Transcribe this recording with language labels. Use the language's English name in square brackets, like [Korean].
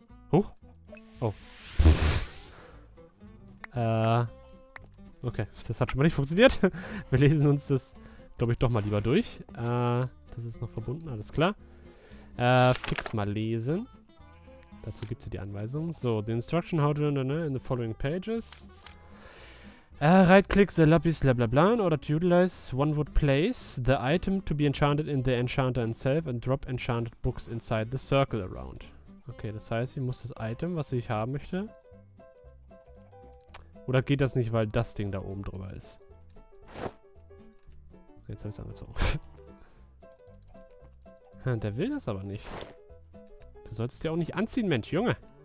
[German] Huch. Oh. Okay, das hat schon mal nicht funktioniert. Wir lesen uns das, glaube ich, doch mal lieber durch. Das ist noch verbunden, alles klar. Fix mal lesen. Dazu gibt es hier die Anweisung. [English] So, the instruction how to learn in the following pages. Right-click the lapis bla bla bla in order to utilize one would place the item to be enchanted in the enchanter itself and drop enchanted books inside the circle around. [German] Okay, das heißt, ich muss das Item, was ich haben möchte. Oder geht das nicht, weil das Ding da oben drüber ist? Okay, jetzt habe ich es angezogen. Der will das aber nicht. Du solltest ja auch nicht anziehen, Mensch, Junge.